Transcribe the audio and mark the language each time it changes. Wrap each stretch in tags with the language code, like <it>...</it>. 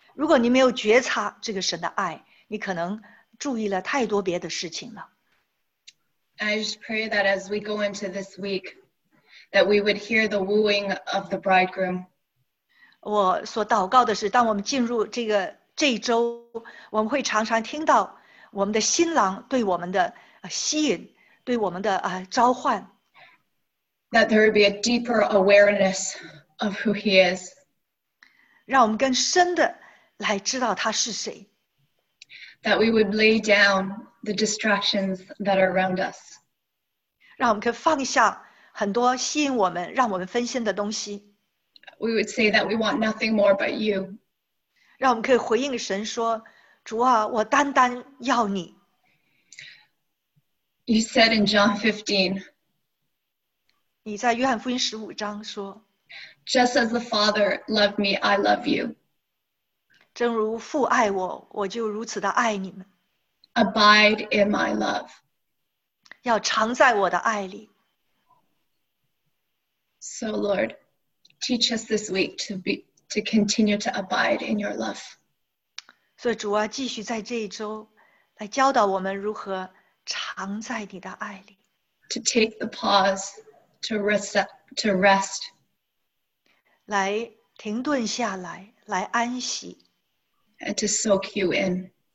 <zh>如果你没有觉察这个神的爱，你可能注意了太多别的事情了。</zh> <en>I just pray that as we go into this week,that we would hear the wooing of the bridegroom.</en> <zh>我所祷告的是，当我们进入这一周，我们会常常听到我们的新郎对我们的吸引，对我们的召唤。</zh> <en>That there would be a deeper awareness of who he is.</en> <zh>让我们更深的来知道他是谁。</zh> <en>That we would lay down the distractions that are around us.</en> <zh>让我们可以放下很多吸引我们、让我们分心的东西。</zh> <en>We would say that we want nothing more but you.</en> <zh>让我们可以回应神说，主啊，我单单要你。</zh> <en>You said in John 15.</en> <zh>你在约翰福音十五章说。</zh> <en>Just as the Father loved me, I love you.</en> <zh>正如父爱我，我就如此的爱你们。</zh> <en>Abide in my love.</en> <zh>要常在我的爱里。</zh> <en>So Lord, teach us this week to continue to abide in your love.</en> <zh>所以主啊，继续在这一周来教导我们如何藏在你的爱里。</zh> <en>To take the pause, to rest.</en> <zh>来停顿下来，来安息。</zh> <en>And to soak you in.</en>